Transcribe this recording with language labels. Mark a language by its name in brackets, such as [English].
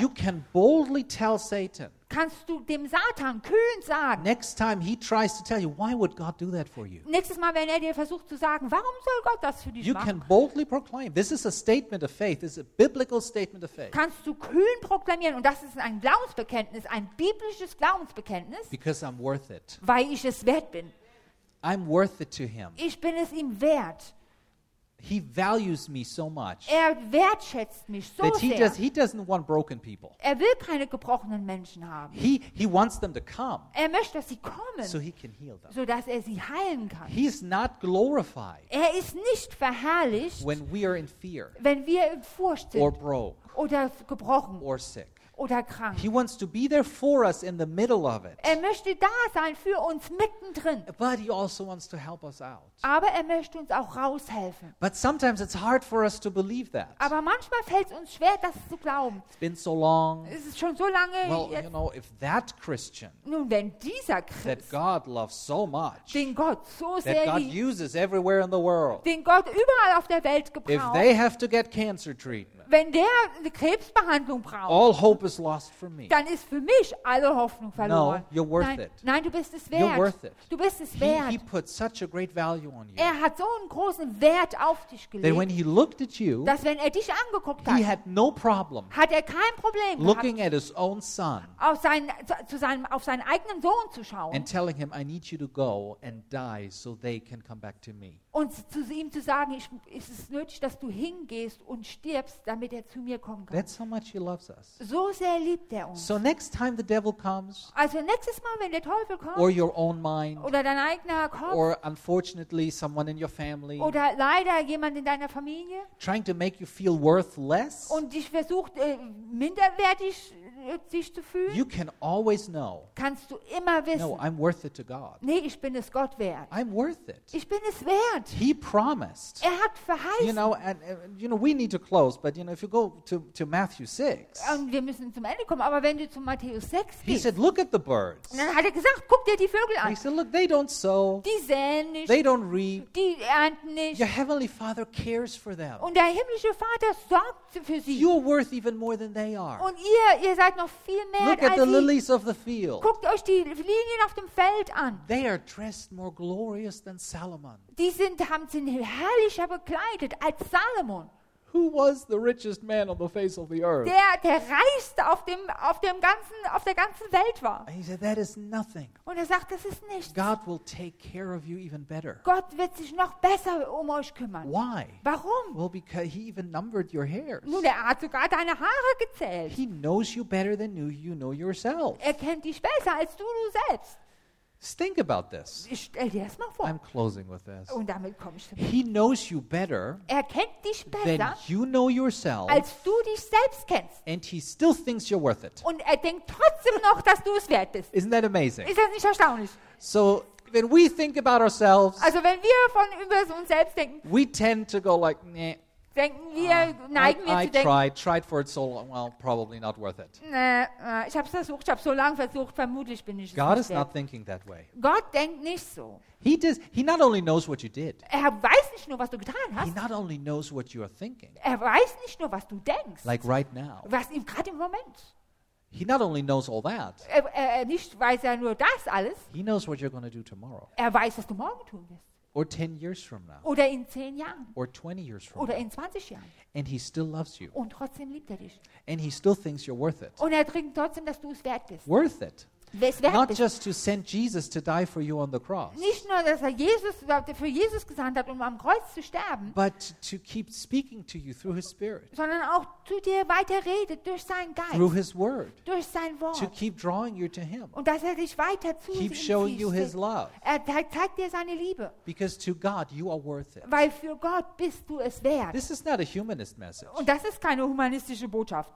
[English] You can boldly tell Satan. [German] Kannst du dem Satan kühn sagen? [English] Next time he tries to tell you, why would God do that for you? [German] Nächstes Mal, wenn er dir versucht zu sagen, warum soll Gott das für dich machen? [English] You can boldly proclaim. This is a statement of faith. This is a biblical statement of faith. [German] Kannst du kühn proklamieren, und das ist ein Glaubensbekenntnis, ein biblisches Glaubensbekenntnis. [English] Because I'm worth it. [German] Weil ich es wert bin. [English] I'm worth it to him. [German] Ich bin es ihm wert. [English] He values me so much. [German] Er wertschätzt mich so [English] that [German] sehr. [English] He doesn't want broken people. [German] Er will keine gebrochenen Menschen haben. [English] He wants them to come. [German] Er möchte, dass sie kommen. [English] So he can heal them. [German] So dass er sie heilen kann. [English] He is not glorified. [German] Er ist nicht verherrlicht. [English] When we are in fear. [German] Wenn wir in Furcht sind. [English] Or broke. [German] Oder gebrochen. [English] Or sick. [German] Oder krank. [English] He wants to be there for us in the middle of it. [German] Er möchte da sein für uns mittendrin. [English] But he also wants to help us out. [German] Aber er möchte uns auch raushelfen. [English] But sometimes it's hard for us to believe that. [German] Aber manchmal fällt es uns schwer, das zu glauben. [English] It's been so long. [German] Es ist schon so lange. [English] Well, you know, if that Christian, [German] nun, wenn dieser Christ, [English] that God loves so much, [German] den Gott so sehr [English] that God [German] liebt, [English] uses everywhere in the world, [German] den Gott überall auf der Welt gebraucht, [English] if they have to get cancer treatment, [German] wenn der eine Krebsbehandlung braucht, [English] all hope is lost for me. [German] Dann ist für mich alle Hoffnung verloren. [English] No, you're worth [German] nein, [English] it. [German] Nein, du bist es wert. [English] You're worth it. [German] Du bist es wert. [English] He put such a great value on you. [German] Er hat so einen großen Wert auf dich gelegt. [English] That when he looked at you, [German] dass wenn er dich angeguckt hat, [English] he had no problem, [German] hat er kein Problem [English] looking [German] gehabt, [English] at his own son, [German] auf seinen eigenen Sohn zu schauen, [English] and telling him, I need you to go and die so they can come back to me. [German] Und zu ihm zu sagen, es ist nötig, dass du hingehst und stirbst, damit er zu mir kommen kann. [English] That's how much he loves us. [German] So sehr liebt er uns. [English] So next time the devil comes, [German] also nächstes Mal, wenn der Teufel kommt, [English] or your own mind, [German] oder dein eigener Kopf, [English] or unfortunately someone in your family, [German] oder leider jemand in deiner Familie, [English] trying to make you feel worthless, [German] und dich versucht, minderwertig sich zu fühlen, [English] you can always know, [German] kannst du immer wissen, [English] no, I'm worth it to God. [German] Nee, ich bin es Gott wert. [English] I'm worth it. [German] Ich bin es wert. [English] He promised. [German] Er hat verheißen. [English] You know, and you know, we need to close, but you know, if you go to Matthew 6. [German] Und wir müssen zum Ende kommen, aber wenn du zu Matthäus 6 gehst. [English] He said, look at the birds. [German] Dann hat er gesagt, guck dir die Vögel an. [English] He said, look, they don't sow. [German] Die säen nicht. [English] They don't reap. [German] Die ernten nicht. [English] Your heavenly Father cares for them. [German] Und der himmlische Vater sorgt für sie. [English] You're worth even more than they are. [German] Und ihr seid noch viel mehr [English] look [German] als sie. [English] Look at the lilies of the field. [German] Guckt euch die Linien auf dem Feld an. [English] They are dressed more glorious than Solomon. [German] Die haben sie herrlicher bekleidet als Salomon. [English] Who was the richest man on the face of the earth? [German] Der reichste auf der ganzen Welt war. [English] And he said, that is nothing. [German] Und er sagt, das ist nichts. [English] God will take care of you even better. [German] Gott wird sich noch besser um euch kümmern. [English] Why? [German] Warum? [English] Well, because he even numbered your hairs. [German] Nun, er hat sogar deine Haare gezählt. [English] He knows you better than you know yourself. [German] Er kennt dich besser als du selbst. [English] Think about this. [German] Stell dir das mal vor. [English] I'm closing with this. [German] Und damit komme ich zum [English] He knows you better. [German] Er kennt dich besser. [English] Than you know yourself. [German] Als du dich selbst kennst. [English] And he still thinks you're worth it. [German] Und er denkt trotzdem noch, dass du es wert bist. [English] Isn't that amazing? [German] Ist das nicht erstaunlich? [English] So when we think about ourselves. [German] Also wenn wir von über uns selbst denken. [English] We tend to go like, nee. [German] Denken wir, neigen wir zu denken. [English] I tried for it so long. Well, probably not worth it. [German] Ich habe es versucht. Ich habe so lange versucht. Vermutlich bin ich es nicht. [English] God is not thinking that way. [German] Gott denkt nicht so. [English] He not only knows what you did. [German] Er weiß nicht nur, was du getan hast. [English] He not only knows what you are thinking. [German] Er weiß nicht nur, was du denkst. [English] Like right now. [German] Was gerade im Moment. [English] He not only knows all that. [German] Er nicht weiß er nur das alles. [English] He knows what you're going to do tomorrow. [German] Er weiß, was du morgen tun wirst. [English] Or 10 years from now. [German] Oder in 10 Jahren. [English] Or 20 years from [German] Oder in 20 Jahren. [English] And he still loves you. [German] Und trotzdem liebt er dich. [English] And he still thinks you're worth it. [German] Und denkt trotzdem, dass du es wert bist. [English] Worth it. [German] Wer es wert [English] Not [German] bist. [English] Just to send Jesus to die for you on the cross. [German] Nicht nicht nur, dass er Jesus für Jesus gesandt hat, um am Kreuz zu sterben, [English] but to keep speaking to you through his spirit, [German] sondern auch zu dir weiter redet durch seinen Geist, [English] through his word, [German] durch sein Wort, [English] to keep drawing you to him, [German] und dass er dich weiter zu [English] keep showing [German] sich [English] you his love, [German] er zeigt dir seine Liebe, [English] because to God you are worth it, [German] weil für Gott bist du es wert. [English] This is not a humanist message, [German] und das ist keine humanistische Botschaft.